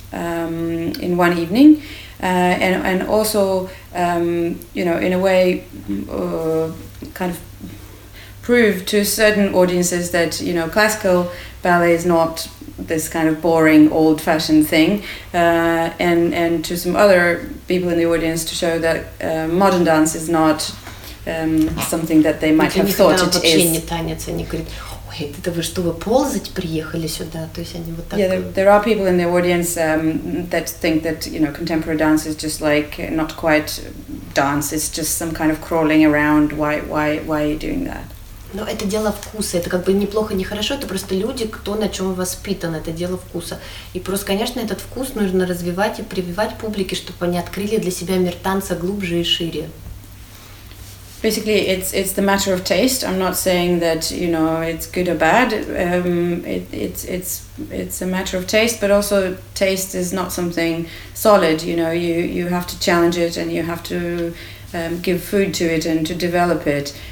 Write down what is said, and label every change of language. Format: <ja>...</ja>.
<en>In one evening, and also, you know, in a way, kind of prove to certain audiences that, you know, classical ballet is not this kind of boring, old-fashioned thing, and to some other people in the audience to show that modern dance is not something that they might have thought it is.</en> <ru>Это вы что, вы ползать приехали сюда? То есть они вот так.</ru> <en>Yeah, there are people in the audience that think that, you know, contemporary dance is just like not quite dance. It's just some kind of crawling around. Why are you doing that?</en> <ru>Но это дело вкуса. Это как бы неплохо, не хорошо. Это просто люди, кто на чем воспитан. Это дело вкуса. И просто, конечно, этот вкус нужно развивать и прививать публике, чтобы они открыли для себя мир танца глубже и шире.</ru> <en>Basically, it's the matter of taste. I'm not saying that, you know, it's good or bad. It's a matter of taste, but also taste is not something solid. You know, you have to challenge it, and you have to give food to it and to develop it.</en>